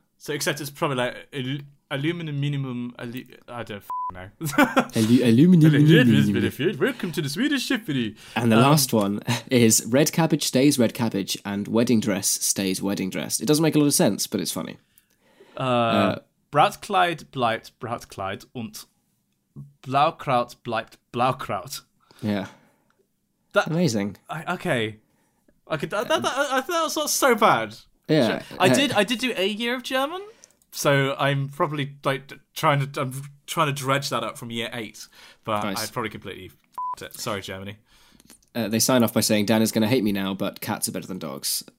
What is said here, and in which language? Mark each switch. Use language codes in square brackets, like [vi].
[en] So, except it's probably like aluminium, minimum, I don't know. aluminium. Welcome to the Swedish Tiffany. And the last one is red cabbage stays red cabbage and wedding dress stays wedding dress. It doesn't make a lot of sense, but it's funny. [de] Bratkleid bleibt Bratkleid und Blaukraut bleibt Blaukraut. [en] Yeah. That, amazing. I thought that was not so bad. Yeah. I did do a year of German, so I'm probably like trying to dredge that up from year 8, but nice. I probably completely f***ed it. Sorry, Germany. They sign off by saying, Dan is going to hate me now, but cats are better than dogs.